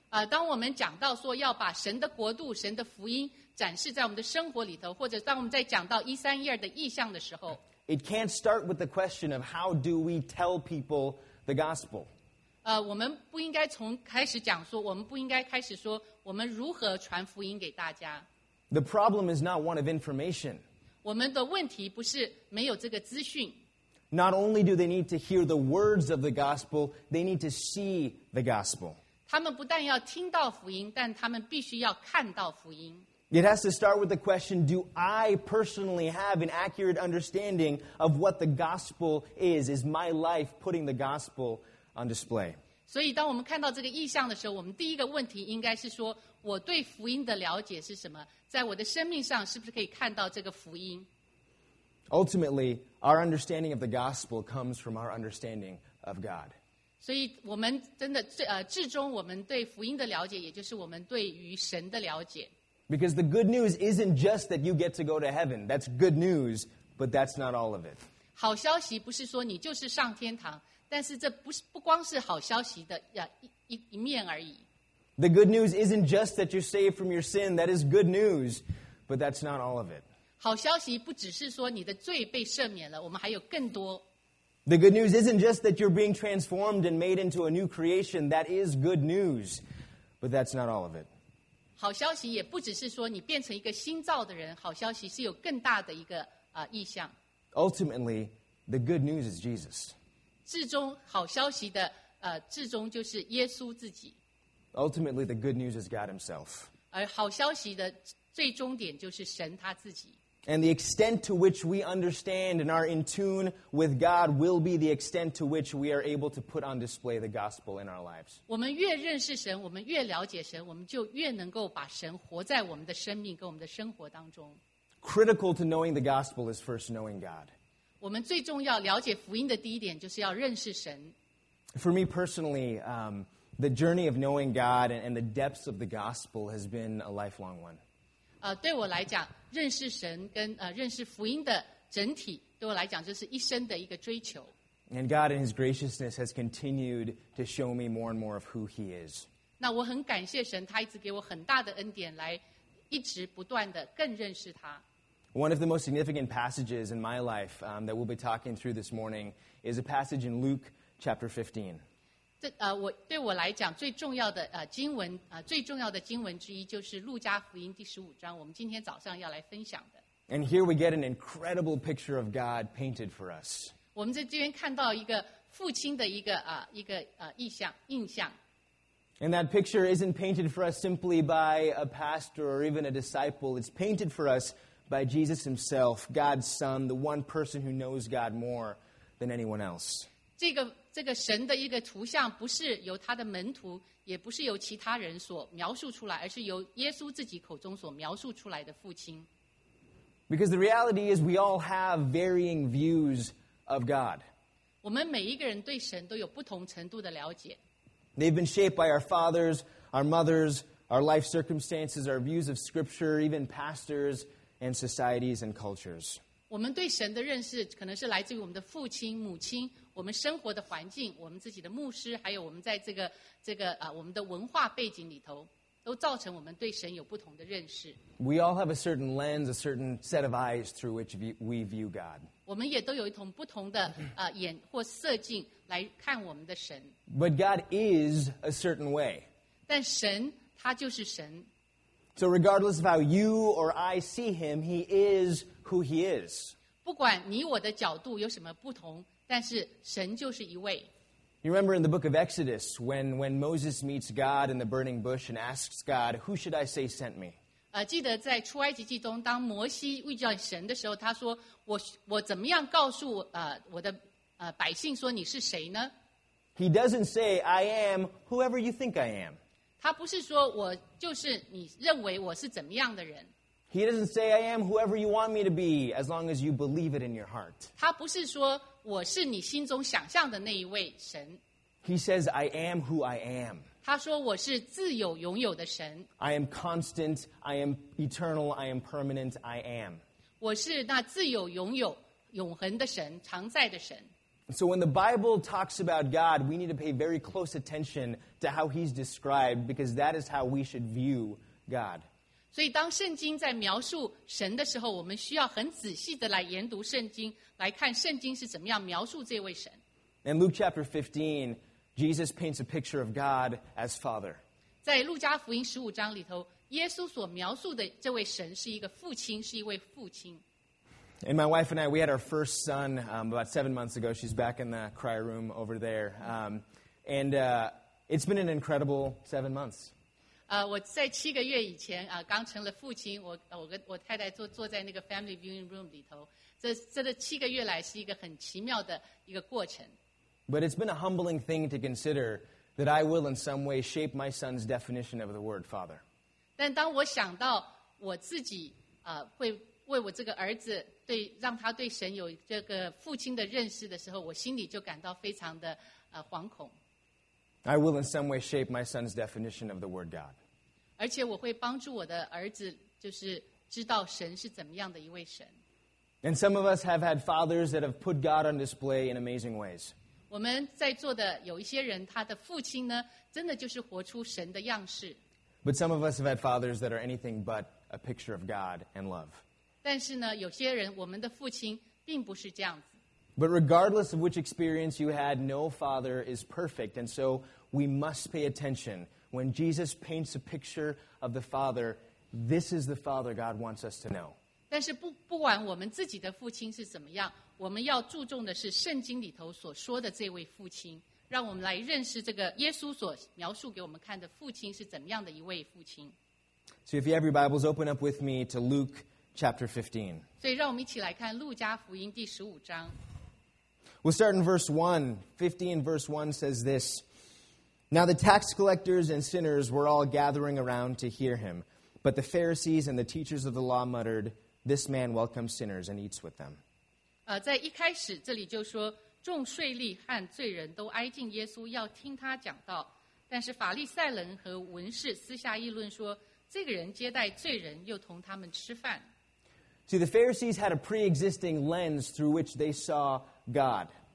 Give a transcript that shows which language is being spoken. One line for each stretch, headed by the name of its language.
Chinese: 当我们讲到说要把神的国度、神的福音展示在我们的生活里头，或者当我们在讲到1312的意象的时候。
English: It can't start with the question of how do we tell people the gospel.
Chinese: 我们不应该从开始讲说，我们不应该开始说我们如何传福音给大家。
English: The problem is not one of information.
Chinese: 我们的问题不是没有这个资讯。
English: Not only do they need to hear the words of the gospel, they need to see the gospel.
Chinese: 他们不但要听到福音，但他们必须要看到福音。
English: It has to start with the question, do I personally have an accurate understanding of what the gospel is? Is my life putting the gospel on display?
Chinese: 所以当我们看到这个意象的时候，我们第一个问题应该是说，我对福音的了解是什么？在我的生命上是不是可以看到这个福音？
English: Ultimately, our understanding of the gospel comes from our understanding of God.
Chinese: 所以我们真的至终我们对福音的了解，也就是我们对于神的了解。
English: Because the good news isn't just that you get to go to heaven. That's good news, but that's not all of it.
Chinese: 好消息不是说你就是上天堂，但是这不光是好消息的一面而已。
English: The good news isn't just that you're saved from your sin. That is good news, but that's not all of it.
Chinese: 好消息不只是说你的罪被赦免了，我们还有更多。
English: The good news isn't just that you're being transformed and made into a new creation. That is good news, but that's not all of it.
Chinese: 好消息也不只是说你变成一个新造的人，好消息是有更大的一个意象。
English: Ultimately, the good news is Jesus.
Chinese: 至终好消息的至终就是耶稣自己。
English: Ultimately, the good news is God himself.
Chinese: 而好消息的最终点就是神他自己。
English: And the extent to which we understand and are in tune with God will be the extent to which we are able to put on display the gospel in our lives.
Chinese: 我们越认识神，我们越了解神，我们就越能够把神活在我们的生命跟我们的生活当中。
English: Critical to knowing the gospel is first knowing God.
Chinese: 我们最重要了解福音的第一点就是要认识神。
English: For me personally, the journey of knowing God and the depths of the gospel has been a lifelong one.
Chinese: 对我来讲，认识神跟认识福音的整体，对我来讲，这是一生的一个追求。
English: And God in His graciousness has continued to show me more and more of who He is.
Chinese: 那我很感谢神，他一直给我很大的恩典，来一直不断的更认识他。
English: One of the most significant passages in my life that we'll be talking through this morning is a passage in Luke chapter 15.
Chinese: 对我来讲最重要的经文最重要的经文之一就是路加福音第十五章，我们今天早上要来分享的。
English: And here we get an incredible picture of God painted for us.
Chinese: 我们在这边看到一个父亲的一个一个意象印象。
English: And that picture isn't painted for us simply by a pastor or even a disciple. It's painted for us by Jesus Himself, God's Son, the one person who knows God more than anyone else.
Chinese: 这个神的一个图像不是由他的门徒，也不是由其他人所描述出来，而是由耶稣自己口中所描述出来的父亲。
English: Because the reality is, we all have varying views of God.
Chinese: 我们每一个人对神都有不同程度的了解。
English: They've been shaped by our fathers, our mothers, our life circumstances, our views of scripture, even pastors and societies and cultures.
Chinese: 我们对神的认识可能是来自于我们的父亲、母亲，我们生活的环境，我们自己的牧师，还有我们在这个我们的文化背景里头，都造成我们对神有不同的认识。
English: We all have a certain lens, a certain set of eyes through which we view God.
Chinese: 我们也都有一种不同的眼或色境来看我们的神。
English: But God is a certain way.
Chinese: 但神他就是神。
English: So regardless of how you or I see him, he is who he is.
Chinese: 不管你我的角度有什么不同，但是神就是一位。
English: You remember in the book of Exodus when Moses meets God in the burning bush and asks God, "Who should I say sent me?"
Chinese: 记得在出埃及记中，当摩西遇见神的时候，他说：“我怎么样告诉我的百姓说你是谁呢？”
English: He doesn't say, "I am whoever you think I am."
Chinese: 他不是说我就是你认为我是怎么样的人。
English: He doesn't say, "I am whoever you want me to be, as long as you believe it in your heart."
Chinese: 他不是说我是你心中想象的那一位神。
English: He says, "I am who I am."
Chinese: 他说我是自有拥有的神。
English: I am constant. I am eternal. I am permanent. I am.
Chinese: 我是那自有拥有永恒的神，常在的神。
English: So when the Bible talks about God, we need to pay very close attention to how He's described, because that is how we should view God.
Chinese: 所以当圣经在描述神的时候，我们需要很仔细的来研读圣经，来看圣经是怎么样描述这位神。
English: In Luke chapter 15, Jesus paints a picture of God as Father.
Chinese: 在路加福音十五章里头，耶稣所描述的这位神是一个父亲，是一位父亲。
English: And my wife and I, we had our first son about 7 months ago. She's back in the cry room over there. It's been an incredible 7 months.
Chinese: 我在七个月以前刚成了父亲，我太太坐在那个
English: family viewing room
Chinese: 里头，这七个月来是一个很奇妙的一个过程。
English: But it's been a humbling thing to consider that I will in some way shape my son's definition of the word father.
Chinese: 但当我想到我自己会为我这个儿子对让他对神有这个父亲的认识的时候，我心里就感到非常的惶恐。
English: I will in some way shape my son's definition of the word God.
Chinese: 而且我会帮助我的儿子就是知道神是怎么样的一位神。
English: And some of us have had fathers that have put God on display in amazing ways.
Chinese: 我们在座的有一些人他的父亲呢真的就是活出神的样式。
English: But some of us have had fathers that are anything but a picture of God and love.
Chinese: 但是呢有些人我们的父亲并不是这样子。
English: But regardless of which experience you had, no father is perfect. And so we must pay attention. When Jesus paints a picture of the Father, this is the Father God wants us to know.
Chinese: 但是不管我们自己的父亲是怎么样，我们要注重的是圣经里头所说的这位父亲，让我们来认识这个耶稣所描述给我们看的父亲是怎么样的一位父亲。
English: So if you have your Bibles, open up with me to Luke chapter 15.
Chinese: 所以让我们一起来看路加福音第十五章。
English: We'll start in verse 1. 15 verse 1 says this. Now the tax collectors and sinners were all gathering around to hear him. But the Pharisees and the teachers of the law muttered, "This man welcomes sinners and eats with them."
Chinese: 在一开始这里就说众税吏和罪人都挨近耶稣要听他讲道。但是法利赛人和文士私下议论说这个人接待罪人又同他们吃饭。
English: See, the Pharisees had a pre-existing lens through which they saw God.